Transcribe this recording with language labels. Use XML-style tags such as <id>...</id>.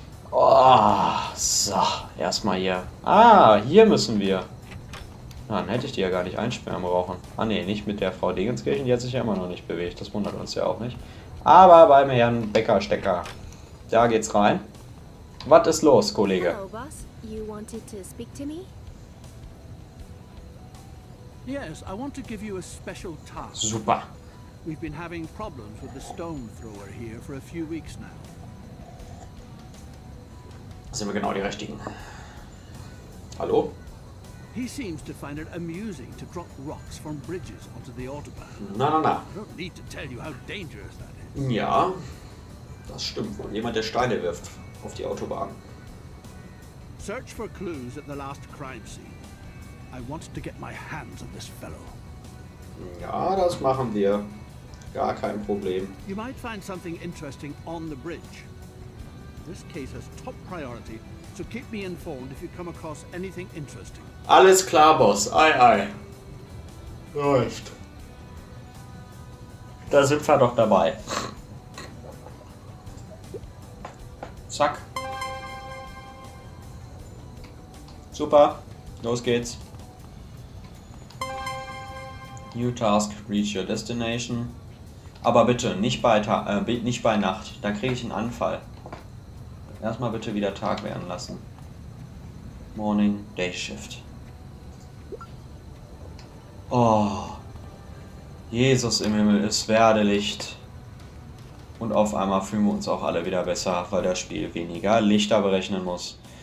<de>Oh, so, erstmal hier. Ah, hier müssen wir. Dann hätte ich die ja gar nicht einsperren brauchen. Ah ne, nicht mit der Frau Degenskirchen, die hat sich ja immer noch nicht bewegt. Das wundert uns ja auch nicht. Aber bei mir Herrn Becker-Stecker. Da geht's rein. Was ist los, Kollege?</de> <en>Hello, boss. You wanted to speak to me? Yes, I want to give you a special task.</en> <de>Super.</de> <en>We've been having problems with the stone thrower here for a few weeks now.</en> <de>Sind wir genau die richtigen? Hallo?</de> <en>He seems to find it amusing to drop rocks from bridges onto the autobahn.</en> <de>Na.</de> <en>I don't need to tell you how dangerous that is.</en> <de>Ja, das stimmt wohl. Jemand, der Steine wirft auf die Autobahn.</de> <en>Search for clues at the last crime scene. I wanted to get my hands on this fellow.</en> <de>Ja, das machen wir. Gar kein Problem.</de> <en>You might find something interesting on the bridge. This case has top priority, so keep me informed if you come across anything interesting.</en> <de>Alles klar, Boss. Ei, ei. Läuft. Da sind wir doch dabei. Zack. Super. Los geht's.</de> <en>New task, reach your destination.</en> <de>Aber bitte, nicht bei Nacht. Da kriege ich einen Anfall. Erstmal bitte wieder Tag werden lassen.</de> <en>Morning, Day Shift.</en> <de>Oh, Jesus im Himmel, es werde Licht. Und auf einmal fühlen wir uns auch alle wieder besser, weil das Spiel weniger Lichter berechnen muss.</de>